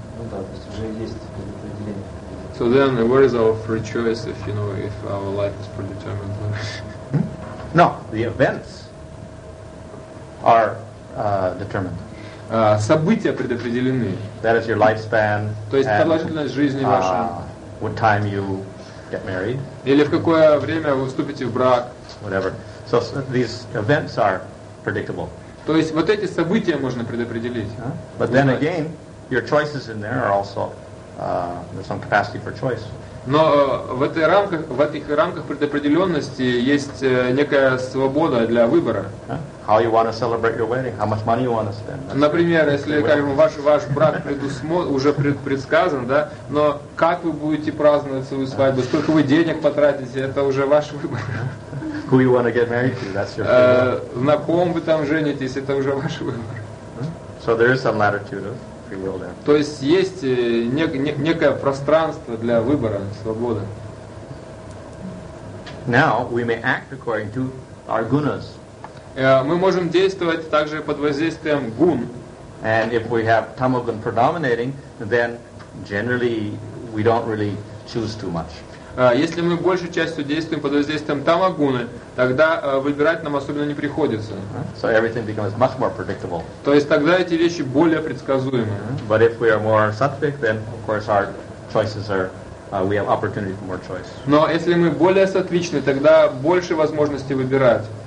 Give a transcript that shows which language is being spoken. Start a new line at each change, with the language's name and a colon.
Russian: Ну да, то есть уже есть предопределение.
English: So then, where is our free choice if, you know, if our life is predetermined? No, the events are determined.
Russian: События предопределены.
English: That is your lifespan.
Russian: То есть продолжительность жизни вашей.
English: What time you get married.
Russian: Или в какое время вы вступите в брак.
English: Whatever. So these events are predictable.
Russian: То есть вот эти события можно предопределить.
English: But then again, your choices in there are also there's some capacity for choice.
Russian: Но в этих рамках предопределенности есть некая свобода для выбора.
English: How you want to celebrate your wedding? How much money you want to spend? That's
Russian: Например, если, скажем, ваш брак уже предсказан, да, но как вы будете праздновать свою свадьбу, сколько вы денег потратите, это уже ваш выбор.
English: Who you want to get married to? That's your choice.
Russian: На ком вы там женитесь, это уже ваш выбор.
English: So there is some latitude of free will there.
Russian: То есть есть некое пространство для выбора, свободы.
English: Now we may act according to our gunas.
Russian: Мы можем действовать также под воздействием гун.
English: And if we have tamogun predominating, then generally we don't really choose too much.
Russian: Если мы большей частью действуем под воздействием тамагуны, тогда выбирать нам особенно не приходится.
English: So everything becomes much more predictable.
Russian: То есть тогда эти вещи более предсказуемы.
English: But if we are more sattvic, then of course our choices are we have opportunity for more choice.
Russian: Но если мы более сатвичны, тогда больше возможностей выбирать.